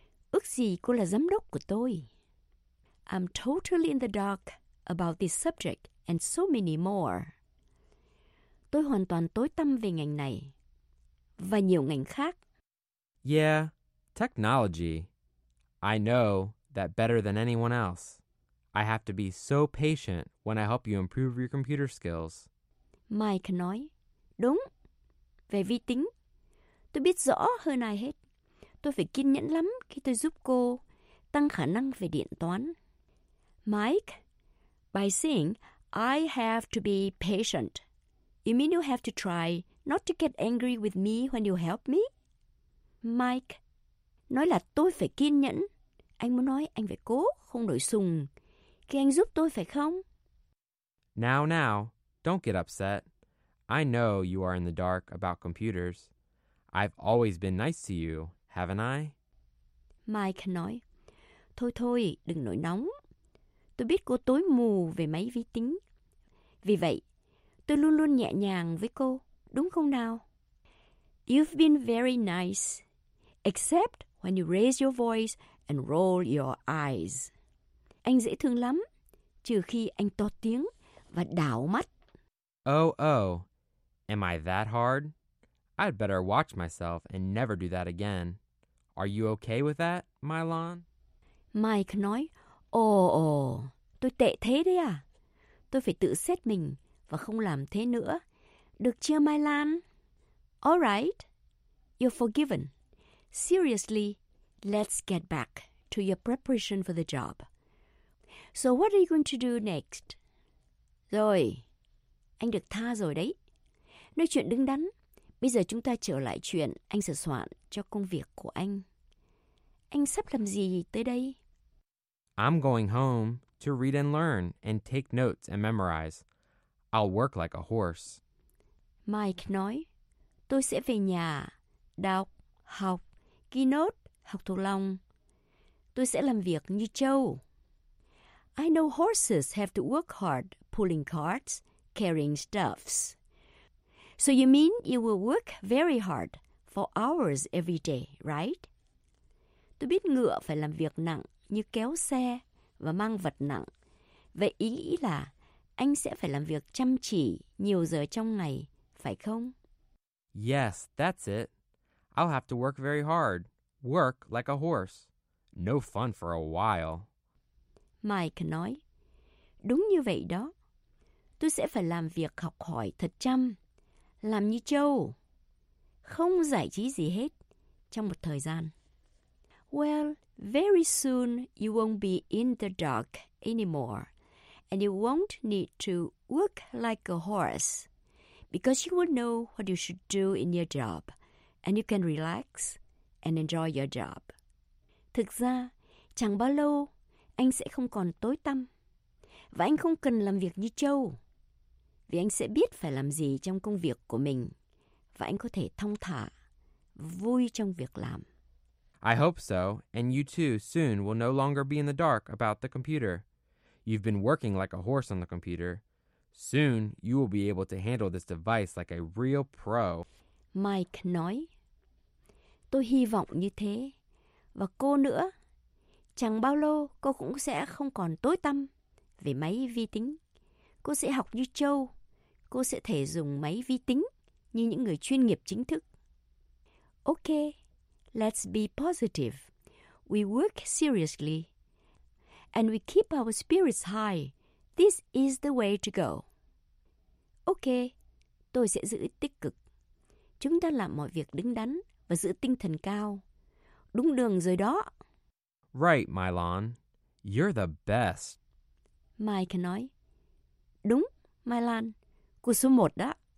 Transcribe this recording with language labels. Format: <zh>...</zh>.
<vi>Ước gì cô là giám đốc của tôi.</vi> <en>I'm totally in the dark about this subject and so many more.</en> <vi>Tôi hoàn toàn tối tăm về ngành này và nhiều ngành khác.</vi> <en>Yeah, technology. I know that better than anyone else. I have to be so patient when I help you improve your computer skills.</en> <vi>Mike nói, đúng, về vi tính. Tôi biết rõ hơn ai hết. Tôi phải kiên nhẫn lắm khi tôi giúp cô tăng khả năng về điện toán.</vi> <en>Mike, by saying, I have to be patient, you mean you have to try not to get angry with me when you help me?</en> <vi>Mike, nói là tôi phải kiên nhẫn. Anh muốn nói anh phải cố, không nổi sùng, khi anh giúp tôi phải không?</vi> <en>Now, now, don't get upset. I know you are in the dark about computers. I've always been nice to you, haven't I?</en> <vi>Mike nói, thôi thôi, đừng nổi nóng. Tôi biết cô tối mù về máy vi tính. Vì vậy, tôi luôn luôn nhẹ nhàng với cô, đúng không nào?</vi> <en>You've been very nice, except when you raise your voice and roll your eyes.</en> <vi>Anh dễ thương lắm, trừ khi anh to tiếng và đảo mắt.</vi> <en>Oh, am I that hard? I'd better watch myself and never do that again. Are you okay with that, Mylon?</en> <vi>Mike nói, Oh, tôi tệ thế đấy à. Tôi phải tự xét mình và không làm thế nữa. Được chưa, Mylon?</vi> <en>All right, you're forgiven. Seriously, let's get back to your preparation for the job. So what are you going to do next?</en> <vi>Rồi, anh được tha rồi đấy. Nói chuyện đứng đắn. Bây giờ chúng ta trở lại chuyện anh sửa soạn cho công việc của anh. Anh sắp làm gì tới đây?</vi> <en>I'm going home to read and learn and take notes and memorize. I'll work like a horse.</en> <vi>Mike nói, tôi sẽ về nhà, đọc, học, ghi note, học thuộc lòng. Tôi sẽ làm việc như trâu.</vi> <en>I know horses have to work hard pulling carts, carrying stuffs. So you mean you will work very hard for hours every day, right?</en> <vi>Tôi biết ngựa phải làm việc nặng như kéo xe và mang vật nặng. Vậy ý nghĩ là anh sẽ phải làm việc chăm chỉ nhiều giờ trong ngày, phải không?</vi> <en>Yes, that's it. I'll have to work very hard. Work like a horse. No fun for a while.</en> <vi>Mike nói, đúng như vậy đó. Tôi sẽ phải làm việc học hỏi thật chăm. Làm như trâu, không giải trí gì hết trong một thời gian.</vi> <en>Well, very soon you won't be in the dark anymore, and you won't need to work like a horse, because you will know what you should do in your job, and you can relax and enjoy your job.</en> <vi>Thực ra, chẳng bao lâu anh sẽ không còn tối tăm, và anh không cần làm việc như trâu. Vì anh sẽ biết phải làm gì trong công việc của mình và anh có thể thong thả, vui trong việc làm.</vi> <en>I hope so, and you too soon will no longer be in the dark about the computer. You've been working like a horse on the computer. Soon you will be able to handle this device like a real pro.</en> <vi>Mike nói, tôi hy vọng như thế. Và cô nữa, chẳng bao lâu cô cũng sẽ không còn tối tăm về máy vi tính. Cô sẽ học như trâu, cô sẽ thể dùng máy vi tính như những người chuyên nghiệp chính thức.</vi> <en>Okay, let's be positive. We work seriously and we keep our spirits high, this is the way to go.</en> <vi>Ok, tôi sẽ giữ tích cực. Chúng ta làm mọi việc đứng đắn và giữ tinh thần cao. Đúng đường rồi đó.</vi> <en>Right, Mylon. You're the best.</en> <vi>Mike nói. Đúng, Mylon. Cô số một đó.</vi>